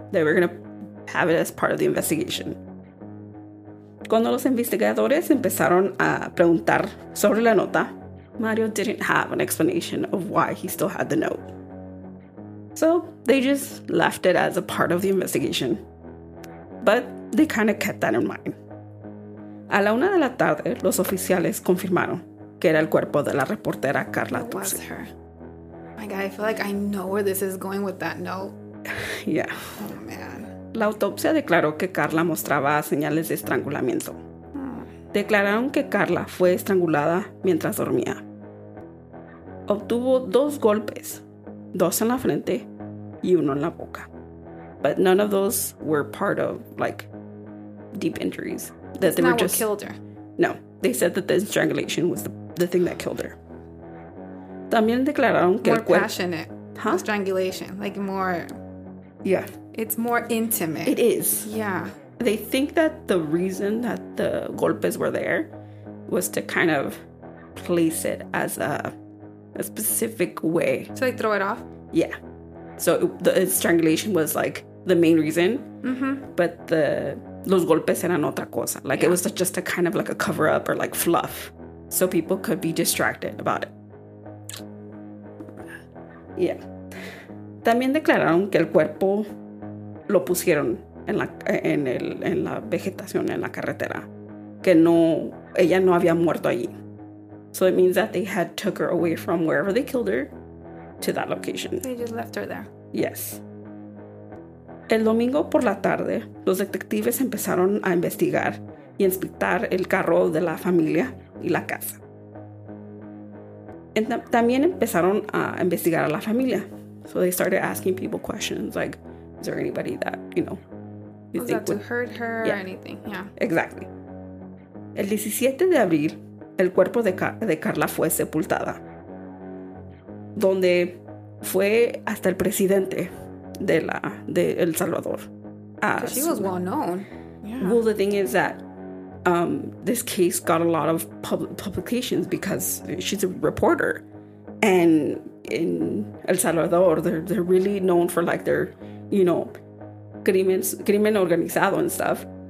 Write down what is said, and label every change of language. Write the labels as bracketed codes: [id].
[en] They were going to have it as part of the investigation. [es] Cuando los investigadores empezaron a preguntar sobre la nota, [en] Mario didn't have an explanation of why he still had the note. So they just left it as a part of the investigation. But they kind of kept that in mind. [es] A la una de la tarde, los oficiales confirmaron que era el cuerpo de la reportera Karla [en] Turcios. It was her. My God, I feel like I know where this is going with that note. Yeah. Oh, man. [es] La autopsia declaró que Karla mostraba señales de estrangulamiento. Declararon que Karla fue estrangulada mientras dormía. Obtuvo 2 golpes, 2 en la frente y 1 en la boca. [en] But none of those were part of, like, deep injuries. That they were just, what killed her. No, they said that the strangulation was the thing that killed her. [es] También declararon que el cuerpo... [en] More passionate. Huh? Strangulation. Like, more... Yeah. It's more intimate. It is. Yeah. They think that the reason that the golpes were there was to kind of place it as a specific way. So they throw it off? Yeah. So the strangulation was like the main reason. Mm-hmm. But the [es] los golpes eran otra cosa. [en] Like yeah. It was just a kind of like a cover up or like fluff. So people could be distracted about it. Yeah. [es] También declararon que el cuerpo lo pusieron en la vegetación, en la carretera. Que no, ella no había muerto allí. [en] So it means that they had took her away from wherever they killed her to that location. They just left her there. Yes. [es] El domingo por la tarde, los detectives empezaron a investigar y inspectar el carro de la familia y la casa. También empezaron a investigar a la familia. [en] So they started asking people questions like, is there anybody that, you know, you was think that would... to hurt her yeah. or anything? Yeah. Exactly. [es] El 17 de abril, el cuerpo de Karla fue sepultada. Donde fue hasta el presidente de El Salvador. [en] She was well known. Yeah. Well, the thing is that this case got a lot of publications because she's a reporter. And in El Salvador, they're really known for like their, you know, crimen organizado and stuff.